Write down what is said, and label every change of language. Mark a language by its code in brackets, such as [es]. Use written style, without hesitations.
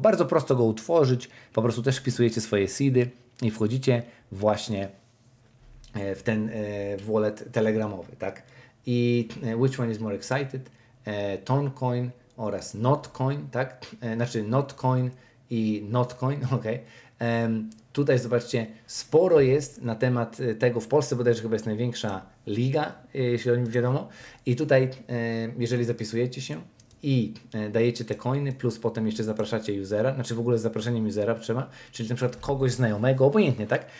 [pl] Bardzo prosto go utworzyć, po prostu też wpisujecie swoje seedy i wchodzicie właśnie w ten wallet telegramowy, tak? [en] I which one is more excited? [pl] Toncoin oraz Notcoin, tak? Znaczy Notcoin i Notcoin, ok. Tutaj zobaczcie, sporo jest na temat tego w Polsce, bodajże chyba jest największa liga, jeśli o nim wiadomo. I tutaj, jeżeli zapisujecie się i dajecie te coiny, plus potem jeszcze zapraszacie usera, znaczy w ogóle z zaproszeniem usera trzeba, czyli na przykład kogoś znajomego, obojętnie, tak?